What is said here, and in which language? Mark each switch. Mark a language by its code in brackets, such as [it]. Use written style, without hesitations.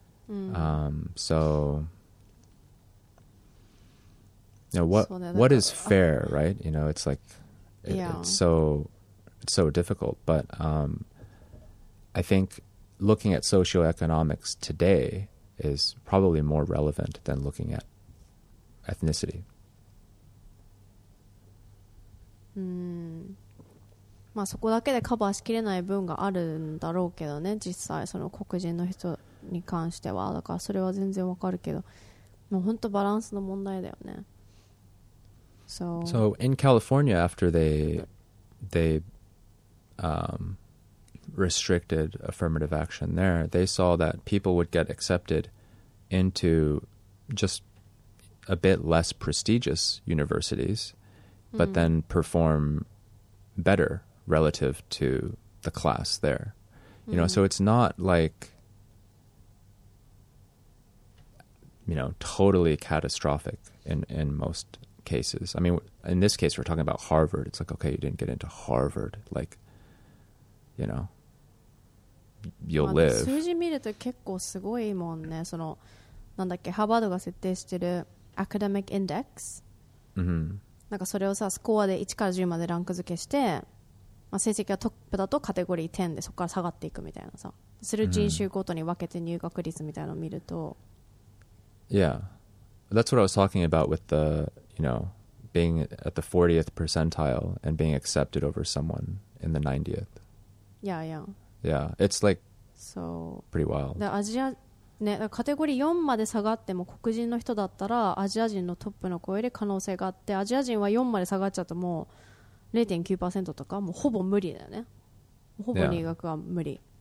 [en] Mm. So, you know, what is fair, right? You know, it's like, it's so difficult. But I think looking at socioeconomics today is probably more relevant than looking at ethnicity. [ja] まあそこだけでカバーしきれない分があるんだろうけどね、実際その黒人の人に関しては。だからそれは全然わかるけど、もう本当バランスの問題だよね。 [en] So in California, after they restricted affirmative action there, they saw that people would get accepted into just a bit less prestigious universities, but then perform better relative to the class there. You know, so it's not like, you know, totally catastrophic in most cases. I mean, in this case, we're talking about Harvard. It's like, okay, you didn't get into Harvard. Like, you know, you'll live. [ja] 数字見ると結構すごいもんね。そのなんだっけ、ハーバードが設定してるアカデミックインデックス、 mm-hmm. なんかそれをさ、スコアで1から10までランク付けして、まあ、成績がトップだとカテゴリー10でそこから下がっていくみたいなさ、する人種ごとに分けて入学率みたいなのを見ると、 mm-hmm. [en] Yeah, that's what I was talking about with the, you know, being at the 40th percentile and being accepted over someone in the 90th. Yeah, yeah. Yeah, it's like so, pretty wild. The Asia... [ja] ね、カテゴリー4まで下がっても黒人の人だったらアジア人のトップの子より可能性があって、アジア人は4まで下がっちゃうともう 0.9% とかもうほぼ無理だよね。ほぼ入学は無理、